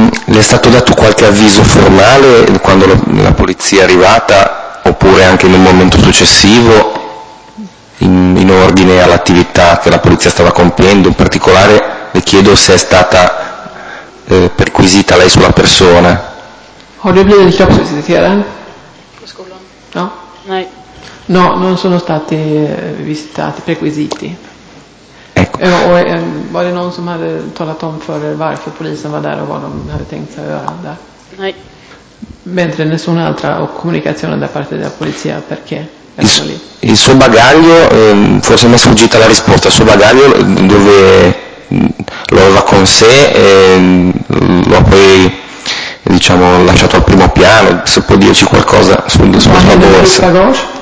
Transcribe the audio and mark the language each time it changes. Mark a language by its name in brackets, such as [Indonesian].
[Italian] Le è stato dato qualche avviso formale quando la polizia è arrivata, oppure anche nel momento successivo, in ordine all'attività che la polizia stava compiendo? In particolare le chiedo se è stata perquisita lei sulla persona. [Swedish] Har du blivit kroppsvisiterad? På skolan? [Italian] No. [Swedish] Nej. [Italian] No, non sono stati visitati, perquisiti. Ecco. [Swedish] Och var det någon som hade talat om för er varför polisen var där och vad de hade tänkt sig göra där? Nej. [Italian] Mentre nessuna altra comunicazione da parte della polizia perché erano lì. Il suo bagaglio, forse mi è sfuggita la risposta, il suo bagaglio dove lo aveva con sé, lo ha poi diciamo lasciato al primo piano, se può dirci qualcosa sulla sua borsa.